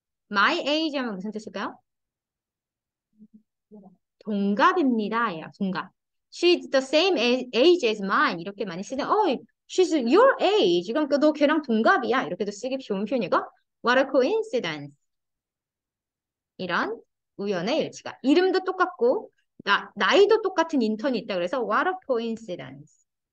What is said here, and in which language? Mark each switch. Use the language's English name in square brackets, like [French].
[English] My age [Korean] 하면 무슨 뜻일까요? 동갑입니다. 예, 동갑. [English] She's the same age as mine. [Korean] 이렇게 많이 쓰는데, [English] oh, she's your age. [Korean] 그럼 너 걔랑 동갑이야. 이렇게도 쓰기 좋은 표현이고. [English] What a coincidence. [Korean] 이런 우연의 일치가. 이름도 똑같고, 나이도 똑같은 인턴이 있다고 해서 [English] What a coincidence.